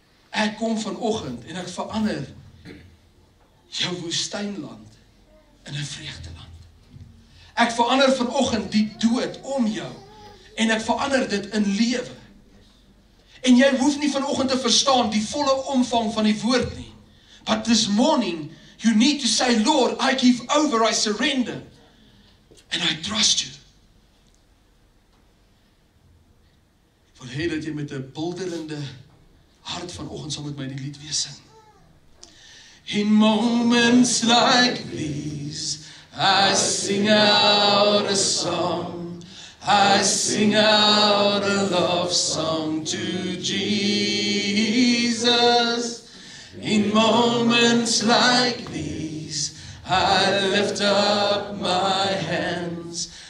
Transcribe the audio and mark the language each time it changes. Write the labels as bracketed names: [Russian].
[Afrikaans] Ek kom vanoggend en ek verander jou woestynland in 'n vreugdeland. Ek verander vanoggend die dood om jou en ek verander dit in lewe. En jy hoef nie vanoggend te verstaan die volle omvang van die woord nie. [English] But this morning you need to say, Lord, I give over, I surrender, and I trust you. [Afrikaans] Ek wil hê dat jy met 'n bulderende hart vanoggend saam met my die lied weer sing. [English] In moments like these, I sing out a song. I sing out a love song to Jesus. In moments like these, I lift up my hands.